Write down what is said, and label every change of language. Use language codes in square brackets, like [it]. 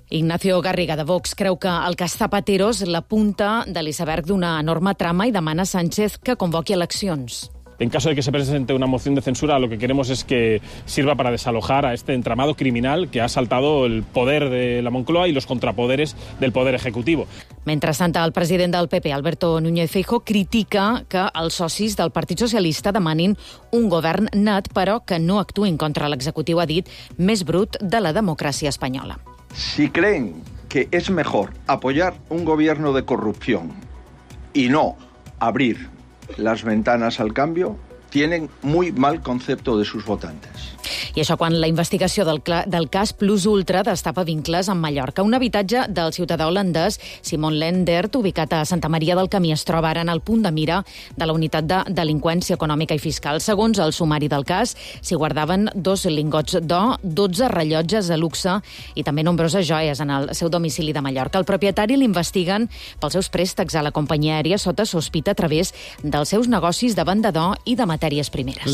[ca] Ignacio Garriga, de Vox, creu que el cas Zapatero és la punta de l'iceberg d'una enorme trama i demana a Sánchez que convoqui eleccions. [es] En caso de que se presente una moción de censura, lo que queremos es que sirva para desalojar a este entramado criminal que ha saltado el poder de la Moncloa y los contrapoderes del poder ejecutivo. [ca] Mentrestant, el president del PP, Alberto Núñez Feijóo, critica que els socis del Partit Socialista demanin un govern net, però que no actuïn contra l'executiu, ha dit, més brut de la democràcia espanyola. [es] Si creen que es mejor apoyar un gobierno de corrupción y no abrir las ventanas al cambio, tienen muy mal concepto de sus votantes. [ca] I això quan la investigació del cas Plus Ultra destapa vincles amb Mallorca. Un habitatge del ciutadà holandès Simon Lendert, ubicat a Santa Maria del Camí, es troba ara en el punt de mira de la unitat de delinqüència econòmica i fiscal. Segons el sumari del cas, s'hi guardaven 2 lingots d'or, 12 rellotges de luxe i també nombroses joies en el seu domicili de Mallorca. El propietari l'investiguen pels seus préstecs a la companyia aèria sota sospita a través dels seus negocis de venda d'or i de matèries primeres.